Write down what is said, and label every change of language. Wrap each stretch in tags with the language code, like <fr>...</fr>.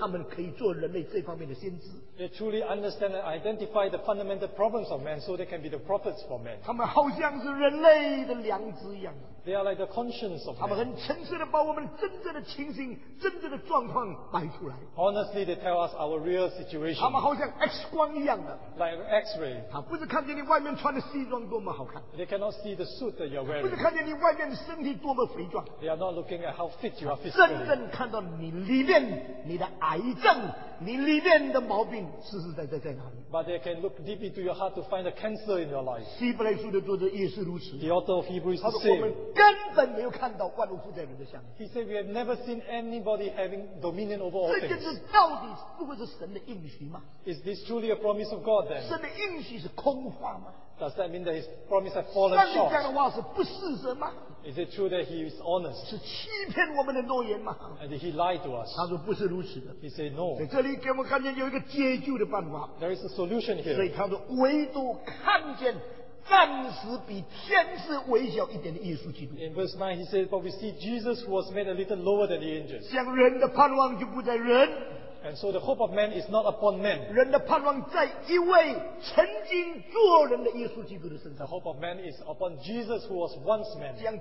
<zh>到了，所以他们可以做人类这方面的先知。</zh> <en>They truly understand and identify the fundamental problems of man, so they can be the prophets for man.</en> <zh>他们好像是人类的良知一样。</zh> <en>They are like the conscience of man.</en> <zh>他们很诚实地把我们真正的情形、真正的状况摆出来。</zh> <en>Honestly, they tell us our real situation.</en> <zh>他们好像 X光一样的。</zh> <en>Like an X-ray.</en> <zh>他不是看见你外面穿的西装多么好看。</zh> <en>They cannot see the suit that you're wearing.</en> <zh>不是看见你外面身体多么肥壮。</zh> <en>They are not looking at how fit you are physically.</en> <zh>真正看到你里面。你的癌症，你里面的毛病，实实在在在哪里</zh> <en>？But they can look deep into your heart to find the cancer in your life.</en> <zh>希伯来书的作者也是如此。</zh> <en>The author of Hebrews said,</en> <zh>他说我们根本没有看到万物负债人的相。</zh> <en>He said we have never seen anybody having dominion over all things.</en> <zh>这就是到底不会是神的应许吗</zh> <en>？Is this truly a promise of God then?</en> <zh>神的应许是空话吗</zh> <en>？Does that mean that His promise has fallen short?</en> <zh>上帝讲的话是不事实吗？</zh> <en>Is it true that he is honest?</en> <zh>是欺骗我们的诺言吗？</zh> <en>And he lied to us.</en> <zh>他说不是如此的。</zh> <en>He said no.</en> <zh>在这里给我们看见有一个解救的办法。</zh> <en>There is a solution here.</en> <zh>所以他说唯独看见。暂时比天使微小一点的耶稣基督。</zh> <en>In verse 9 he said, but we see Jesus was made a little lower than the angels.</en> <zh>像人的盼望就不在人。</zh> <en>And so the hope of man is not upon men.</en> <zh>人的盼望在一位曾经做人的耶稣基督的身上。</zh> <en>The hope of man is upon Jesus who was once man.</en>